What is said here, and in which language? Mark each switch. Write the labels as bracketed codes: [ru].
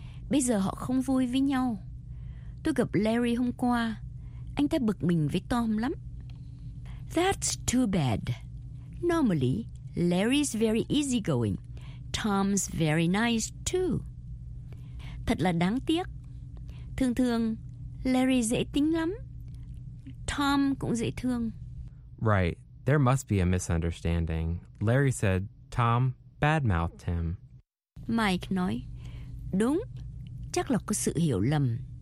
[vi] Bây giờ họ không vui với nhau. Tôi gặp Larry hôm qua. Anh ta bực mình với Tom lắm. [en] That's too bad. Normally, Larry's very easygoing. Tom's very nice, too. [vi] Thật là đáng tiếc. Thường thường, Larry dễ tính lắm. Tom cũng dễ thương. [en] Right. There must be a misunderstanding. Larry said Tom badmouthed him. [vi] Mike nói, đúng, chắc là có sự hiểu lầm.